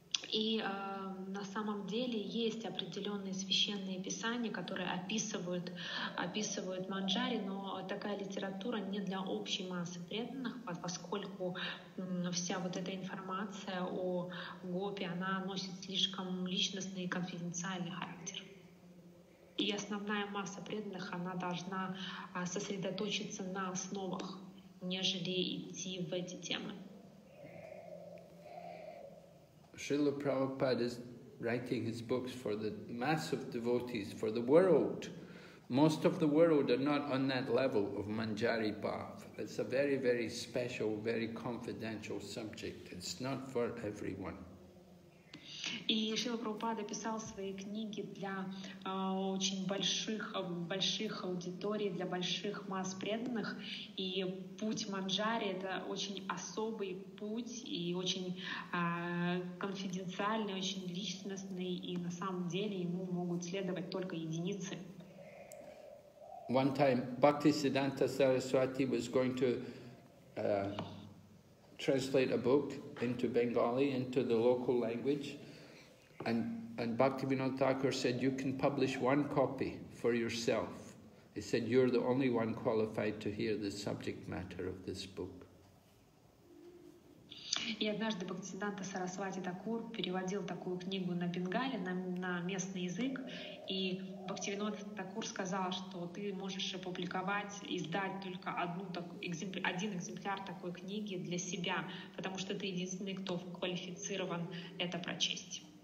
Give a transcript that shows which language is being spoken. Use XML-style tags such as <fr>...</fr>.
<ru>И на самом деле есть определенные священные писания, которые описывают манджари, но такая литература не для общей массы преданных, поскольку вся вот эта информация о гопи, она носит слишком личностный и конфиденциальный характер. И основная масса преданных, она должна сосредоточиться на основах, нежели идти в эти темы.</ru> <en>Srila Prabhupada is writing his books for the mass of devotees, for the world. Most of the world are not on that level of manjari bhav. It's a very, very special, very confidential subject. It's not for everyone.</en> <ru>И Шрила Прабхупада писал свои книги для очень больших аудиторий, для больших масс преданных. И путь манджари — это очень особый путь и очень конфиденциальный, очень личностный. И на самом деле ему могут следовать только единицы.</ru> <en>One time Bhaktisiddhanta Saraswati was going to translate a book into Bengali, into the local language. And Bhaktivinoda Thakur said, you can publish one copy for yourself. He said, you're the only one qualified to hear the subject matter of this book.</en> <ru>И однажды Бхактисиддханта Сарасвати Такур переводил такую книгу на бенгали, на местный язык, и Бхактивинода Такур сказал, что ты можешь опубликовать, издать только один экземпляр такой книги для себя, потому что ты единственный, кто квалифицирован это прочесть.</ru>